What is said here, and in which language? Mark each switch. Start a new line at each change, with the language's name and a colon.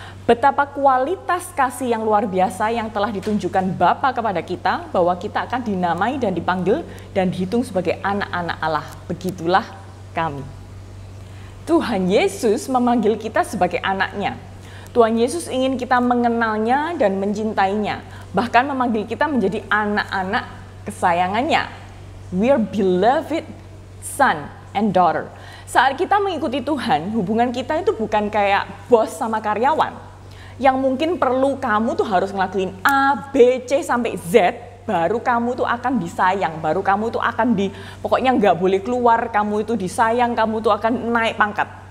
Indonesian: Betapa kualitas kasih yang luar biasa yang telah ditunjukkan Bapa kepada kita, bahwa kita akan dinamai dan dipanggil dan dihitung sebagai anak-anak Allah. Begitulah kami. Tuhan Yesus memanggil kita sebagai anaknya. Tuhan Yesus ingin kita mengenalnya dan mencintainya, bahkan memanggil kita menjadi anak-anak kesayangannya.
English: We are beloved son and daughter.
Indonesian: Saat kita mengikuti Tuhan, hubungan kita itu bukan kayak bos sama karyawan yang mungkin perlu kamu tuh harus ngelakuin A, B, C sampai Z baru kamu tuh akan disayang, baru kamu tuh akan di, pokoknya gak boleh keluar, kamu itu disayang, kamu tuh akan naik pangkat.